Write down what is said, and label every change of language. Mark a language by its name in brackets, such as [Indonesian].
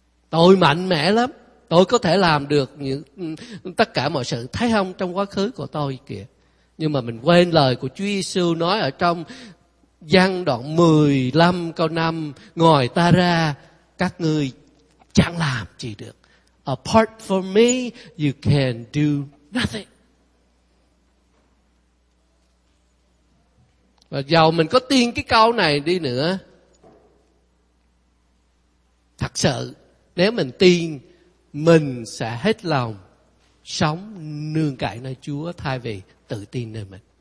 [Vietnamese] Tôi mạnh mẽ lắm, tôi có thể làm được những tất cả mọi sự, thấy không, trong quá khứ của tôi kìa. Nhưng mà mình quên lời của Chúa Giêsu nói ở trong Giăng đoạn 15 câu 5, ngoài ta ra các ngươi chẳng làm gì được. [English] Apart from me you can do nothing. [Vietnamese] Và dầu mình có tin cái câu này đi nữa, thật sự nếu mình tin, mình sẽ hết lòng sống nương cậy nơi Chúa thay vì tự tin nơi mình.